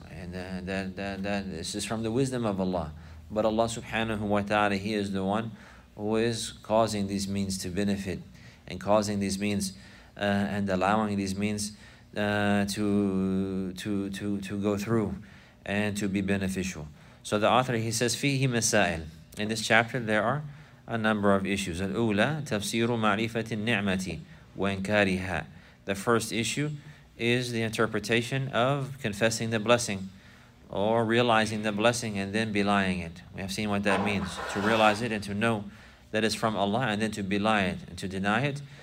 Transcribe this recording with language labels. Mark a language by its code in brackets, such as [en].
[en] And that this is from the wisdom of Allah. But Allah subhanahu wa ta'ala, He is the one who is causing these means to benefit and causing these means and allowing these means to go through and to be beneficial. So the author, he says, فيه مسائل. In this chapter, there are a number of issues. [ar] الأولى تفسير معرفة النعمة وإنكارها. [en] The first issue is the interpretation of confessing the blessing, or realizing the blessing and then belying it. We have seen what that means, to realize it and to know that it's from Allah and then to belie it and to deny it.